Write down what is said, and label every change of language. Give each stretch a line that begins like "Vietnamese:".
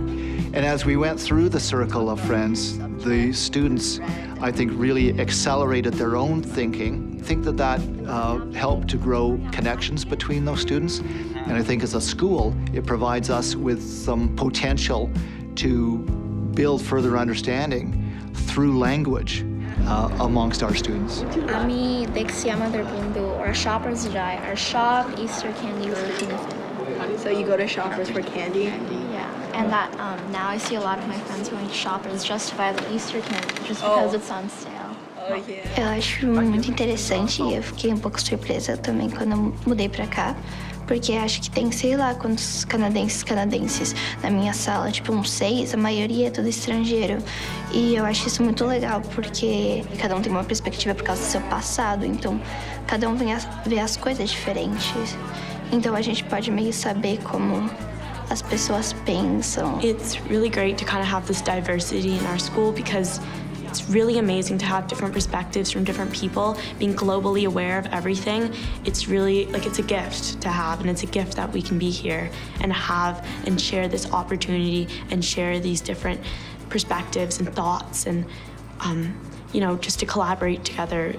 English: And as we went through the circle of friends, the students, I think, really accelerated their own thinking. I think that that helped to grow connections between those students. And I think as a school, it provides us with some potential to build further understanding through language amongst our students. আমি দেখছি আমাদের বন্ধু or shoppers যায় our shop Easter candy or anything. So you go to shoppers for candy? Yeah. And that now I see a lot of my friends going to shoppers just to buy the Easter candy just because it's on sale. Oh, yeah.
Portuguese: Eu acho muito interessante e eu fiquei um pouco surpresa também quando mudei pra cá, porque acho que tem, sei lá, quantos canadenses na minha sala, tipo uns 6, a maioria é todo estrangeiro. E eu acho isso muito legal, porque cada um tem uma perspectiva por causa do seu passado, então cada um vê as coisas diferentes. Então a gente pode meio saber como as pessoas pensam.
English: It's really great to kind of have this diversity in our school because It's really amazing to have different perspectives from different people, being globally aware of everything. It's really, like, it's a gift to have, and it's a gift that we can be here and have and share this opportunity and share these different perspectives and thoughts and, you know, just to collaborate together.